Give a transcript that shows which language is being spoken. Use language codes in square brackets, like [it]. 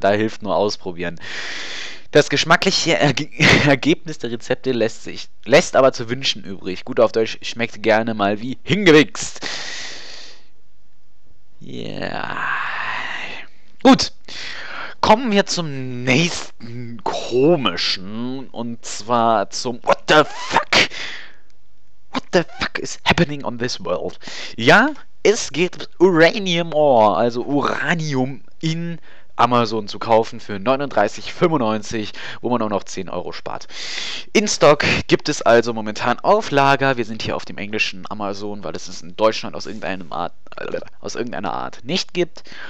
[de] Da hilft nur Ausprobieren. Das geschmackliche Ergebnis der Rezepte lässt aber zu wünschen übrig. Gut auf Deutsch schmeckt gerne mal wie hingewichst. Ja. Gut. Kommen wir zum nächsten komischen. Und zwar zum [en] What the fuck? What the fuck is happening on this world? [de] Ja, es geht um Uranium Ore, also Uranium in Amazon zu kaufen für 39,95, wo man auch noch 10 Euro spart. In Stock gibt es also momentan auf Lager. Wir sind hier auf dem englischen Amazon, weil es in Deutschland aus irgendeiner Art nicht gibt.